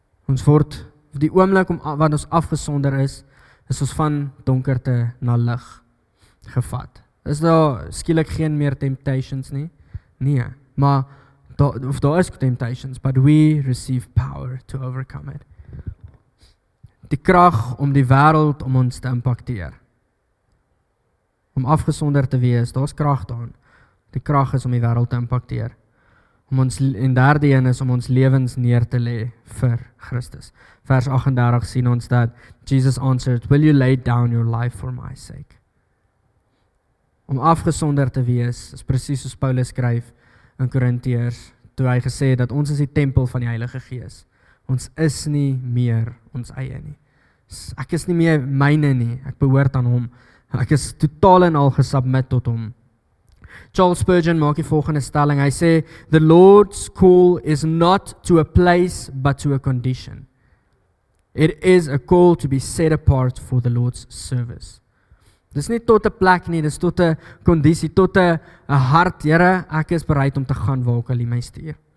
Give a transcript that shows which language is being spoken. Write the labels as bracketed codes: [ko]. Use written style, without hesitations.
[af] Ons word die oomblik om wat ons afgesonder is, is ons van donkerte na lig gevat. Is daar skielik geen meer temptations nie? Nee, maar daar is temptations, [en] but we receive power to overcome it. [af] Die krag om die wêreld om ons te impakteer. Om afgesonder te wees, daar's krag daarin. Die krag is om die wêreld te impakteer. En derde een is om ons lewens neer te lê vir Christus. Vers 38 sien ons dat [en] Jesus answered, Will you lay down your life for my sake? [af] Om afgesonder te wees, is precies soos Paulus skryf in Korintiërs, toe hy gesê het dat ons is die tempel van die Heilige Gees. Ons is nie meer ons eie nie. Ek is nie meer myne nie, ek behoort aan hom. Ek is totaal en al gesubmit tot hom. Charles Spurgeon maak die volgende stelling. Hy sê, [en] The Lord's call is not to a place, but to a condition. It is a call to be set apart for the Lord's service. [af] Dis nie tot 'n plek nie, dis tot 'n kondisie, tot 'n hart, Here, ek is bereid om te gaan waar ook al U my stuur.